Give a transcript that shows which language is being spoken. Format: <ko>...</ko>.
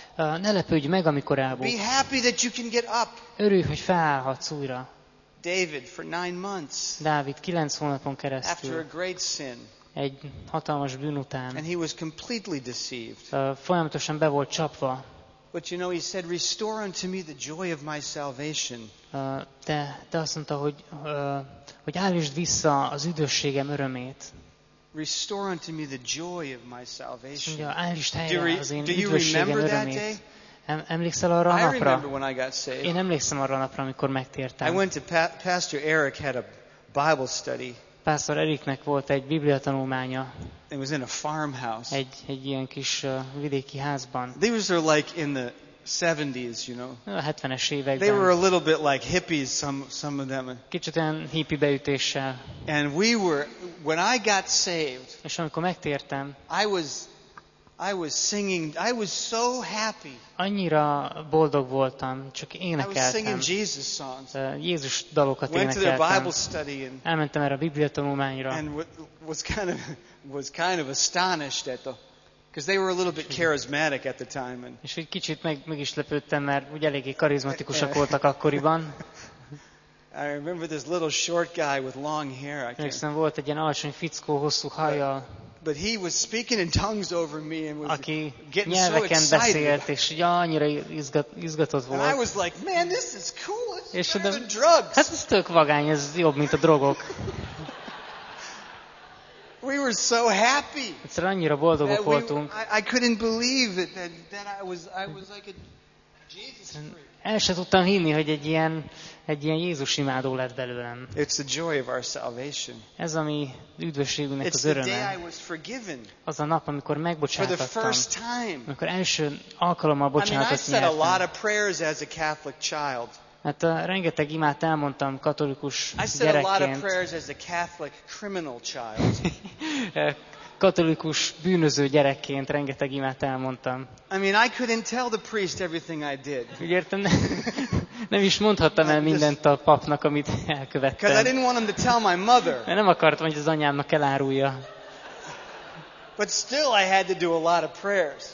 <hu>Ne lepődj meg, amikor elbuksz.</hu> <en>Be happy that you can get up.</en> <hu>Örülj, hogy felállhatsz újra.</hu> <en>David for 9 months.</en> <hu>Dávid 9 hónapon keresztül.</hu> <en>After a great sin.</en> <hu>Egy hatalmas bűn után.</hu> <en>And he was completely deceived.</en> <hu>Folyamatosan be volt csapva.</hu> <en>But you know, he said, "Restore unto me the joy of my salvation."</en> <hu>De azt mondta, hogy állítsd vissza az üdvösségem örömét.</hu> <en>Restore unto me the joy of my salvation.</en> <hu>Mondja, állítsd helyre az én üdvösségem örömét. Emlékszel arra a napra?</hu> <en>I remember when I got saved.</en> <hu>Én emlékszem arra a napra, amikor megtértem.</hu> <en>I went to Pastor Eric had a Bible study.</en> <hu>Pásztor Eriknek volt egy biblia tanulmánya.</hu> <en>It was in a farmhouse.</en> <hu>Egy ilyen kis vidéki házban.</hu> <en>They were like in the 70s, you know.</en> <hu>A 70-es években.</hu> <en>They were a little bit like hippies, some of them.</en> <hu>Kicsit olyan hippie beütéssel.</hu> <en>And we were when I got saved.</en> <hu>És amikor megtértem.</hu> <en>I was singing. I was so happy.</en> <hu>Annyira boldog voltam, csak énekeltem.</hu> <en>I was singing Jesus songs.</en> <hu>Jézus dalokat</hu> <en>Went</en> <hu>énekeltem.</hu> <en>To their Bible study and</en> <hu>elmentem erre a Biblia tanulmányra.</hu> <en>And was kind of astonished at the, because they were a little bit charismatic at the time. And</en> <hu>és egy kicsit meg is lepődtem, mert ugye eléggé karizmatikusak voltak akkoriban.</hu> <en>I remember this little short guy with long hair. But he was speaking in tongues over me and was getting so excited. And I was like, man, this is cool. It's better than drugs.</en> <hu>Hát ez tök vagány, ez jobb, mint a drogok.</hu> <en>We were so happy.</en> <hu>Annyira boldogok voltunk.</hu> <en>I couldn't believe it. I was like a Jesus</en> <hu>freak. El se tudtam hinni, hogy egy ilyen Jézus imádó lett belőlem.</hu> <en>It's the joy of our salvation.</en> <hu>Ez a mi üdvösségünknek az öröme.</hu> <en>It's the day I was forgiven.</en> <hu>Az a nap, amikor megbocsátottam.</hu> <en>For the first time.</en> <hu>Amikor első alkalommal bocsánatot nyertem.</hu> <en>I said a lot of prayers as a Catholic child.</en> <hu>Hát rengeteg imát elmondtam katolikus gyerekként.</hu> <en>I said a lot of prayers as a Catholic criminal child.</en> <hu>Katolikus bűnöző gyerekként rengeteg imát elmondtam.</hu> <en>I mean, I couldn't tell the priest everything I did.</en> <hu>Nem is mondhattam el mindent a papnak, amit elkövettem.</hu> <en>I didn't want him to tell my mother.</en> <hu>Nem akartam, hogy az anyámnak elárulja.</hu> <en>But still I had to do a lot of prayers.</en>